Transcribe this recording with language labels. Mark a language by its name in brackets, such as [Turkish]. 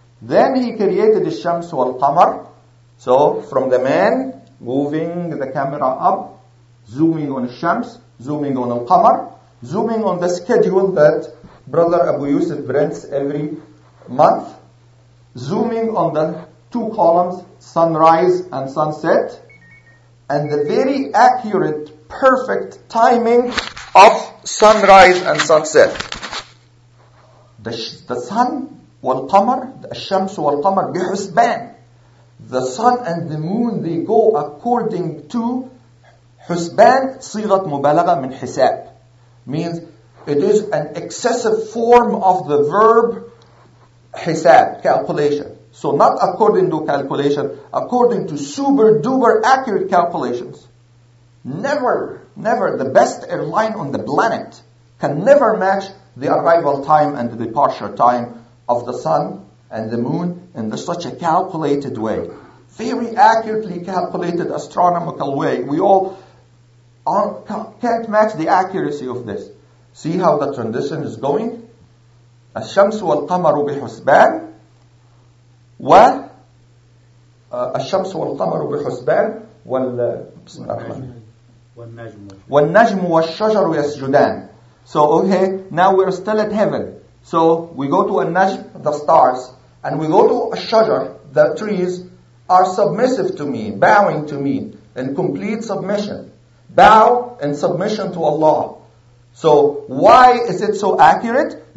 [English] Then He created [Arabic] الشمس والقمر. [English] So from the man, moving the camera up, zooming on الشمس, zooming on القمر, zooming on the schedule that Brother Abu Yusuf rents every month, zooming on the two columns, sunrise and sunset, and the very accurate, perfect timing of sunrise and sunset. The sun [Arabic] والقمر, الشمس والقمر بحسبان. [English] The sun and the moon, they go according to حسبان, [Arabic] صيغة مبالغة من حساب. [English] Means it is an excessive form of the verb حساب, calculation. So not according to calculation, according to super duper accurate calculations. Never the best airline on the planet can never match the arrival time and the departure time of the sun and the moon in such a calculated way. Very accurately calculated astronomical way. We all can't match the accuracy of this. See how the transition is going? [Arabic] الشمس والقمر بحسبان و الشمس والقمر بحسبان وال بسم الله الرحمن الرحيم والنجم والشجر يسجدان. [English] So okay, now we're still at heaven. So we go to النجم, the stars, and we go to الشجر, the trees are submissive to me, bowing to me in complete submission. Bow in submission to Allah. So why is it so accurate?